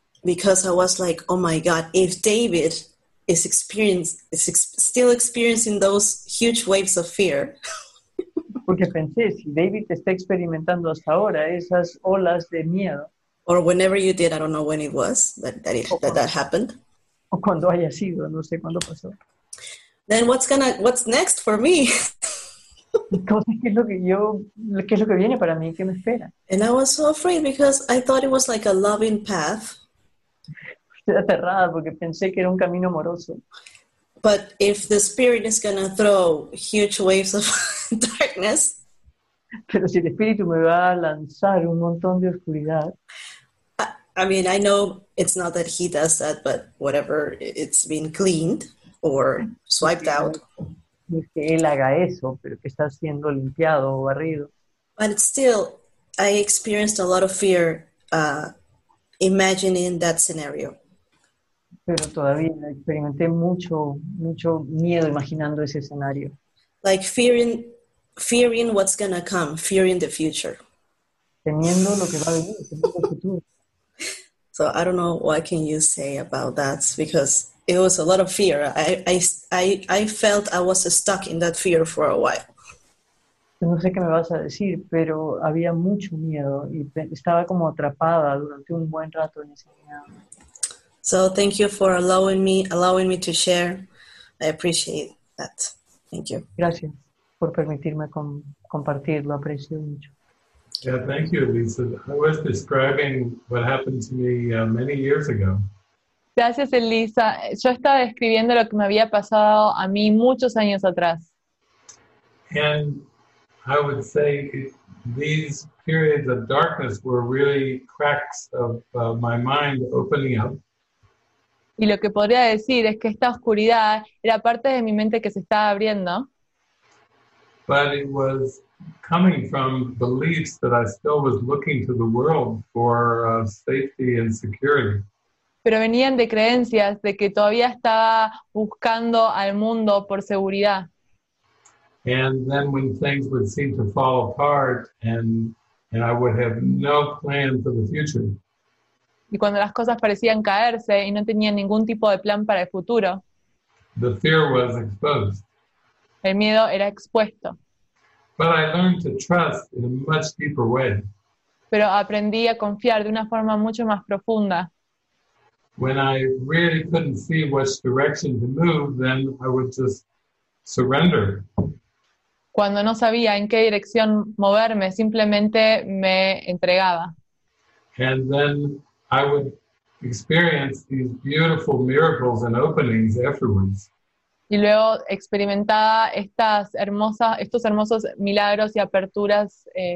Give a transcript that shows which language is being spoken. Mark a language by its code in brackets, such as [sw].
[en] Because I was like, oh my God, if David is still experiencing those huge waves of fear. [es] Porque pensé, si David está experimentando hasta ahora esas olas de miedo. [en] Or whenever you did, I don't know when it was, that happened. [es] O cuando haya sido, no sé cuándo pasó. [en] Then what's next for me? [es] Entonces, qué es lo que viene para mí? ¿Qué me espera? [en] And I was so afraid because I thought it was like a loving path. [es] Estoy aterrada porque pensé que era un camino amoroso. [en] But if the spirit is going to throw huge waves of darkness, [es] pero si el espíritu me va a lanzar un montón de oscuridad, [en] I mean, I know it's not that he does that, but whatever, it's been cleaned or swiped out. [es] No es que él haga eso, pero que está siendo limpiado o barrido. [en] But still, I experienced a lot of fear imagining that scenario. [es] Pero todavía experimenté mucho miedo imaginando ese escenario. [en] Like fearing what's gonna come, fearing the future. [es] Temiendo lo que va a venir, temiendo el futuro. [en] So I don't know what can you say about that, because it was a lot of fear. I felt I was stuck in that fear for a while. [es] No sé qué me vas a decir, pero había mucho miedo y estaba como atrapada durante un buen rato en ese miedo. [en] So thank you for allowing me to share. I appreciate that. Thank you. [es] Gracias por permitirme compartir. Lo aprecio mucho. [en] Yeah, thank you, Lisa. I was describing what happened to me many years ago. [es] Gracias, Elisa. Yo estaba describiendo lo que me había pasado a mí muchos años atrás. [en] And I would say these periods of darkness were really cracks of my mind opening up. [es] Y lo que podría decir es que esta oscuridad era parte de mi mente que se estaba abriendo. [en] But it was coming from beliefs that I still was looking to the world for safety and security. [es] Pero venían de creencias de que todavía estaba buscando al mundo por seguridad. [en] And then when things would seem to fall apart and I would have no plan for the future. [es] Y cuando las cosas parecían caerse y no tenía ningún tipo de plan para el futuro, [en] the fear was exposed. [es] El miedo era expuesto. [en] But I learned to trust in a much deeper way. [es] Pero aprendí a confiar de una forma mucho más profunda. [en] When I really couldn't see which direction to move, then I would just surrender. [es] Cuando no sabía en qué dirección moverme, simplemente me entregaba. [en] And then I would experience these beautiful miracles and openings afterwards. [es] Y luego experimentaba estos hermosos milagros y aperturas.